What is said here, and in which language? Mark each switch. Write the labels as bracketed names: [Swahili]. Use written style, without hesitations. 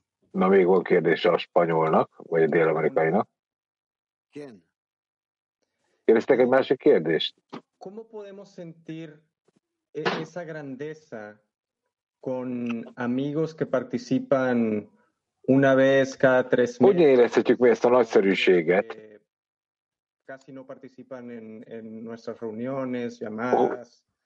[Hungarian] Na, még van kérdése a spanyolnak, vagy a dél-amerikainak. Kérdeztek egy másik kérdést? [Spanish] ¿Cómo podemos sentir esa grandeza con amigos que participan una vez cada tres meses? [Hungarian] Hogyan érezhetjük mi ezt a nagyszerűséget? [Spanish] Casi no participan en nuestras reuniones, llamadas.